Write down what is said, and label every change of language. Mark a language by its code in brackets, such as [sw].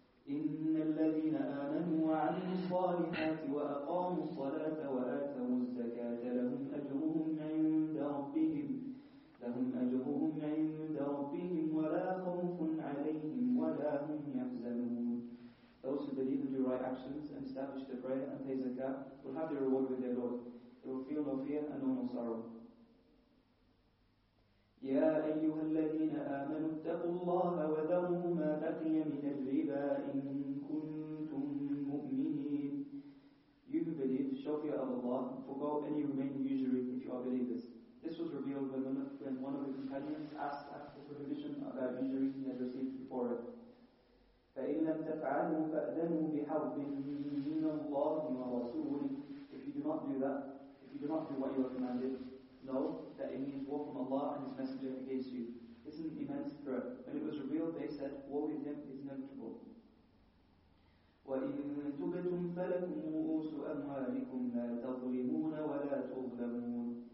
[ar] إِنَّ الَّذِينَ آمَنُوا وَعَمِلُوا الصَّالِحَاتِ وَأَقَامُوا الصَّلَاةَ وَآتَوُا الزَّكَاةَ لَهُمْ أَجْرُهُمْ عِندَ رَبِّهِمْ وَلَا خَوْفٌ عَلَيْهِمْ وَلَا هُمْ يَحْزَنُونَ. [en] Those who believe and do right actions and establish their prayer and pay zakat will have their reward with their Lord. They will feel no fear and no sorrow. [ar] يا أيها الذين آمنوا اتقوا الله وذروا ما بقي من الربا إن كنتم مؤمنين. [en] You who believe, show fear of Allah, forego any remaining usury if you are believers. This was revealed when one of the companions asked after the prohibition about usury he had received before it. [ar] فإن لم تفعلوا فأذنوا بحرب من الله ورسوله. [en] If you do not do what you are commanded, know that it means war from Allah and His Messenger against you. This is an immense threat. When it was revealed, they said, war with Him is inevitable. [ar] وَإِن تُبْتُمْ فَلَكُمْ رُءُوسُ أَمْوَالِكُمْ لَا تَظْلِمُونَ وَلَا تُظْلَمُونَ.